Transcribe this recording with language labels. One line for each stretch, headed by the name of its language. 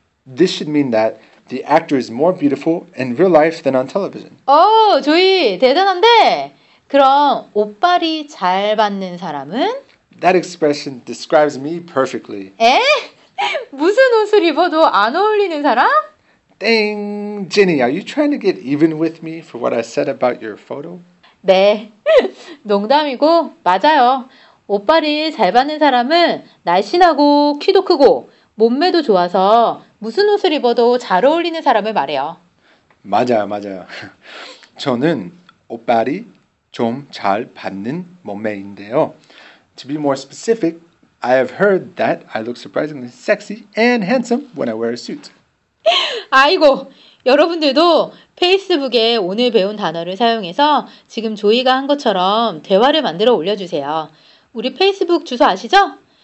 English: This should mean that the actor is more beautiful in real life than on television.
Korean: 오, 조이, 대단한데? 그럼 옷발이 잘 받는 사람은?
English: That expression describes me perfectly. 에?
Korean: 무슨 옷을 입어도 안 어울리는 사람?
English: Dang, Jenny, are you trying to get even with me for what I said about your photo?
Korean: 네, 농담이고 맞아요. 옷발이 잘 받는 사람은 날씬하고 키도 크고 몸매도 좋아서 무슨 옷을 입어도 잘 어울리는 사람을 말해요. 맞아요, 맞아요. 저는 옷발이 좀 잘 받는 몸매인데요.
English: To be more specific, I have heard that I look surprisingly sexy and handsome when I wear a suit.
Korean: 아이고, 여러분들도 페이스북에 오늘 배운 단어를 사용해서 지금 조이가 한 것처럼 대화를 만들어 올려주세요. 우리 페이스북 주소 아시죠?